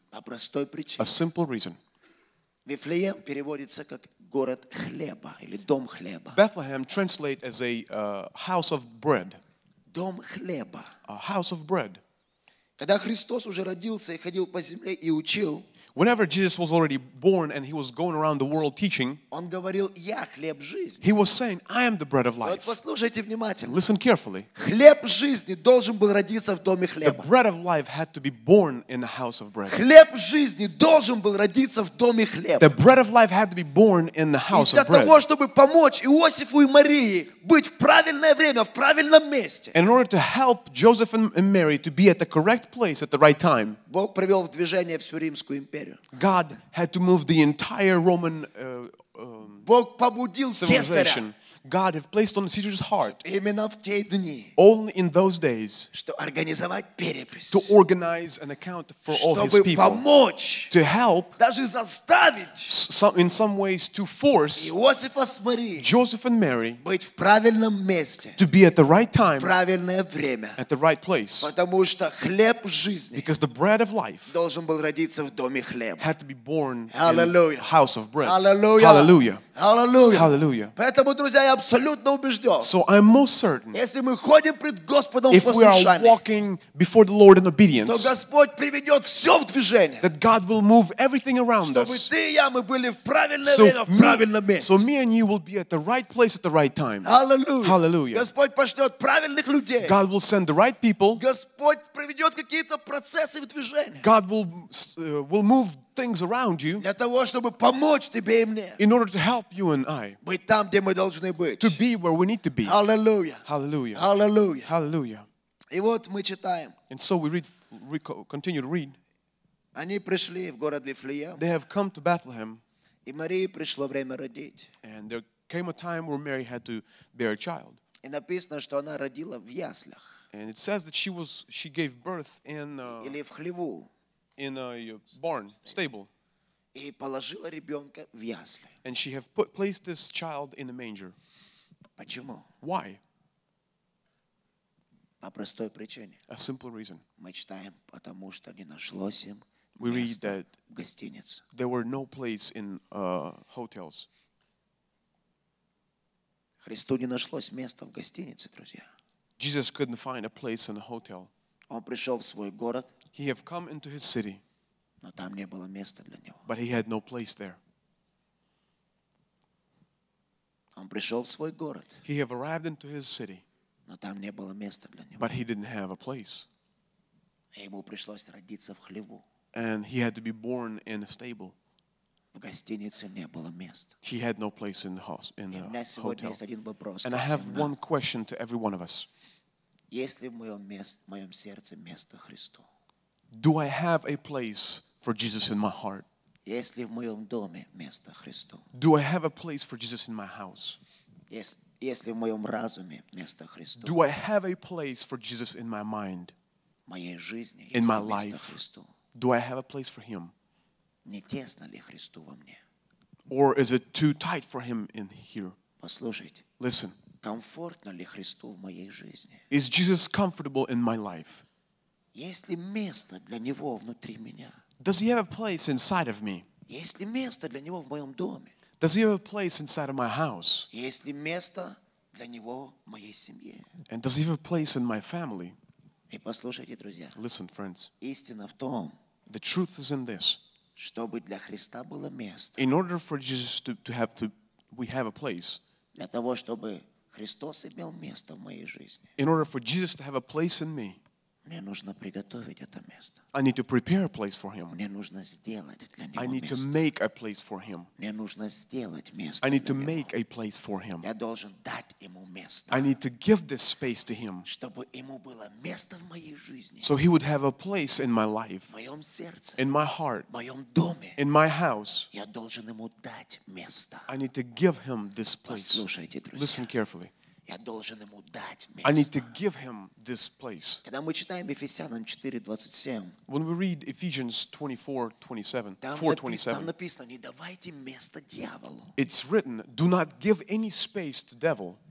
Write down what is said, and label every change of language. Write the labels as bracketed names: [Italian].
[Russian] По простой причине. [English] A simple reason. [Russian] Вифлеем переводится как город хлеба или дом хлеба. [English] Bethlehem translates as a house of bread. [Russian] Дом хлеба. [English] A house of bread. [Russian] Когда Христос уже родился и ходил по земле и учил, [English] whenever Jesus was already born and he was going around the world teaching, [Russian] он говорил, я хлеб жизни. [English] He was saying, I am the bread of life. [Russian] Вот послушайте внимательно. [English] Listen carefully. [Russian] Хлеб жизни должен был родиться в доме хлеба. [English] The bread of life had to be born in the house of bread. [Russian] Хлеб жизни должен был родиться в доме хлеба. [English] The bread of life had to be born in the house of bread. [Russian] И для того, чтобы помочь Иосифу и Марии быть в правильное время, в правильном месте, [English] in order to help Joseph and Mary to be at the correct place at the right time, [Russian] Бог привел в движение всю Римскую империю. [English] God had to move the entire Roman civilization. God had placed on Caesar's heart only in those days to organize an account for all his people, [Russian] помочь, [English] to help, [Russian] даже заставить, [English] in some ways to force [Russian] Иосифа с Марией, [English] Joseph and Mary [Russian] быть в правильном месте, [English] to be at the right time, [Russian] в правильное время, [English] at the right place. [Russian] Потому что хлеб жизни, [English] because the bread of life [Russian] должен был родиться в доме хлеба, [English] had to be born Hallelujah. In the house of bread. Hallelujah. Hallelujah. Hallelujah. Hallelujah. [Russian] Поэтому, друзья, я абсолютно убежден. [English] So I'm most certain. [Russian] Если мы ходим пред Господом в послушании, [English] if we are walking before the Lord in obedience, [Russian] то Господь приведет все в движение. [English] That God will move everything around [Russian] чтобы [English] us. [Russian] Чтобы ты и я мы были в правильное so время, в правильном месте. [English] So me and you will be at the right place at the right time. Hallelujah. Hallelujah. [Russian] Господь пошлет правильных людей. [English] God will send the right people. [Russian] Господь приведет какие-то процессы в движение. [English] God will move things around you [Russian] для того, чтобы помочь тебе и мне, [English] in order to help you and I [Russian] быть там, где мы должны быть, [English] to be where we need to be. Hallelujah. Hallelujah. Hallelujah. Hallelujah. [Russian] И вот мы читаем. [English] And so we read, continue to read. [Russian] Они пришли в город Вифлеем. [English] They have come to Bethlehem. [Russian] И Марии пришло время родить. [English] And there came a time where Mary had to bear a child. [Russian] И написано, что она родила в яслях. [English] And it says that she gave birth in [Russian] или в хлеву. [English] In a barn, stable. [Russian] И положила ребенка в ясли. [English] And she have put placed this child in the manger. [Russian] Почему? [English] Why? [Russian] По простой причине. [English] A simple reason. [Russian] Мы читаем, потому что не нашлось им [English] we read that [Russian] гостиниц. [English] There were no place in hotels. [Russian] Христу не нашлось места в гостинице, друзья. [English] Jesus couldn't find a place in a hotel. [Russian] Он пришел в свой город. [English] He have come into his city. [Russian] Но там не было места для него. [English] But he had no place there. [Russian] Он пришел в свой город. [English] He have arrived into his city. [Russian] Но там не было места для него. [English] But he didn't have a place. [Russian] Ему пришлось родиться в хлеву. [English] And he had to be born in a stable. [Russian] В гостинице не было места. [English] He had no place in the hotel. [Russian] И у меня сегодня есть один вопрос. [English] And I have one question to every one of us. [Russian] Есть ли в моем сердце место Христу? [English] Do I have a place for Jesus in my heart? [Russian] Есть ли в моем доме место Христу? [English] Do I have a place for Jesus in my house? [Russian] Есть ли в моем разуме место Христу? [English] Do I have a place for Jesus in my mind? [Russian] В моей жизни [English] in my life. Do I have a place for Him? [Russian] Не тесно ли Христу во мне? [English] Or is it too tight for Him in here? [Russian] Послушайте. [English] Listen. [Russian] Комфортно ли Христу в моей жизни? [English] Is Jesus comfortable in my life? [Russian] Есть ли место для Него внутри меня? [English] Does He have a place inside of me? [Russian] Есть ли место для Него в моем доме? [English] Does He have a place inside of my house? [Russian] Есть ли место для Него в моей семье? [English] And does He have a place in my family? [Russian] И послушайте, друзья. [English] Listen, friends. [Russian] Истина в том. [English] The truth is in this. [Russian] Чтобы для Христа было место. [English] In order for Jesus we have a place. [Russian] Для того, чтобы Христос имел место в моей жизни. [English] In order for Jesus to have a place in me. [Russian] Мне нужно приготовить это место. [English] I need to prepare a place for him. [Russian] Мне нужно сделать для него место. [English] I need [Russian] место. [English] To make a place for him. [Russian] Мне нужно сделать место. [English] I need [Russian] для [English] to [Russian] него. [English] Make a place for him. [Russian] Я должен дать ему место. [English] I need to give this space to him. [Russian] Чтобы ему было место в моей жизни. [English] So he would have a place in my life. [Russian] В моем сердце. [English] In my heart. [Russian] В моем доме. [English] In my house. [Russian] Я должен ему дать место. [English] I need to give him this place. [Russian] Послушайте, друзья. [English] Listen carefully. [Russian] Я должен ему дать место. [English] I need to give him this place. [Russian] Когда мы читаем Ефесянам 4:27, [English] when we read Ephesians 4:27, [Russian] там написано: не давайте место дьяволу. [English] It's written, do not give any space to devil.